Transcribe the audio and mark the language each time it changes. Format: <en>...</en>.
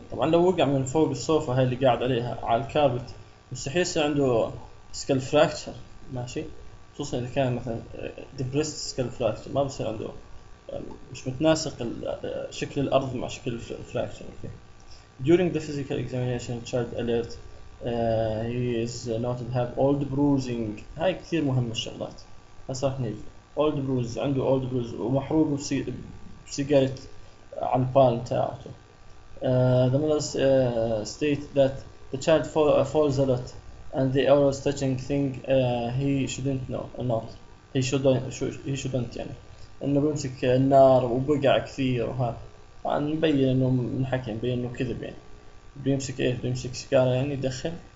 <ar>طبعا لو وقع من فوق الصوفة هاي اللي قاعد عليها على الكاربت مستحيل يصير عنده skull fracture ماشي، خصوصا اذا كان مثلا depressed skull fracture ما بصير عنده، مش متناسق شكل الارض مع شكل الفراكشر.</ar> <en>Okay during the physical examination child alert he is noted have old bruising.</en> <ar>هاي كثير مهمه الشغلات صحني، old bruise عنده old bruise ومحروق بسيجاره على البال تاعته.</ar> <en>The mother state that the child falls a lot and the always touching thing he shouldn't</en> <ar>know not he should he shouldn't يعني انه بمسك النار وبقع كثير، وهذا طبعا مبين انه من حكي مبين انه كذب يعني، بيمسك ايش بيمسك سيجاره يعني يدخن.</ar>